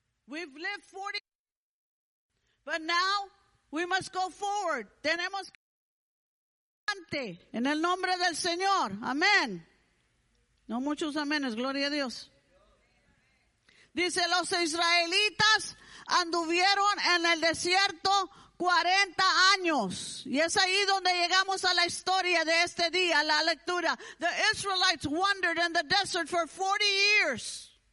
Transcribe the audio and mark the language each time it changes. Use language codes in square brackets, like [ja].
[en] We've lived 40 years, but now we must go forward. [es] Tenemos que adelante en el nombre del Señor. Amén. No muchos aménes, gloria a Dios. Dice, los israelitas anduvieron en el desierto 40 años. Y es ahí donde llegamos a la historia de este día, la lectura. [en] The Israelites wandered in the desert for 40 years.